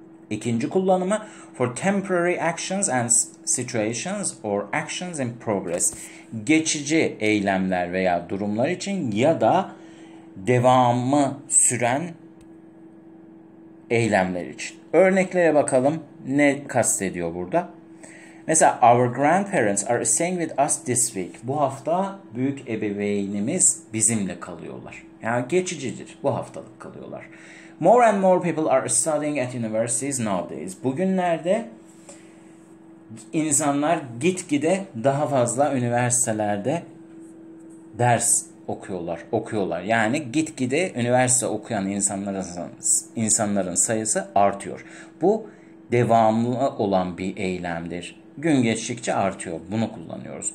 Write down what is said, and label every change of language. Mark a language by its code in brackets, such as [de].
[tr] İkinci kullanımı [en] for temporary actions and situations or actions in progress. [tr] Geçici eylemler veya durumlar için ya da devamı süren eylemler için. Örneklere bakalım ne kastediyor burada. Mesela [en] our grandparents are staying with us this week. [tr] Bu hafta büyük ebeveynimiz bizimle kalıyorlar. Yani geçicidir, bu haftalık kalıyorlar. [en] More and more people are studying at universities nowadays. [tr] Bugünlerde insanlar gitgide daha fazla üniversitelerde ders okuyorlar. Yani gitgide üniversite okuyan insanların sayısı artıyor. Bu devamlı olan bir eylemdir. Gün geçtikçe artıyor. Bunu kullanıyoruz.